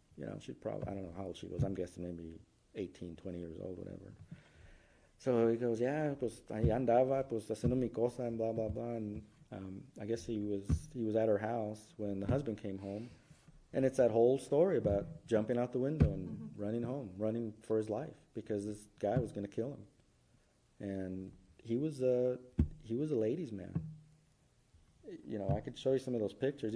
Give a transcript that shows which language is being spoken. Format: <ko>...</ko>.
<en>You know, she's probably, I don't know how old she was. I'm guessing maybe 18, 20 years old, whatever. So he goes, yeah,</en> <es>pues ahí andaba, pues haciendo mi cosa,</es> <en>and blah blah blah. And I guess he was at her house when the husband came home. And it's that whole story about jumping out the window and mm-hmm. running home, running for his life, because this guy was going to kill him. And he was a ladies' man. You know, I could show you some of those pictures.</en>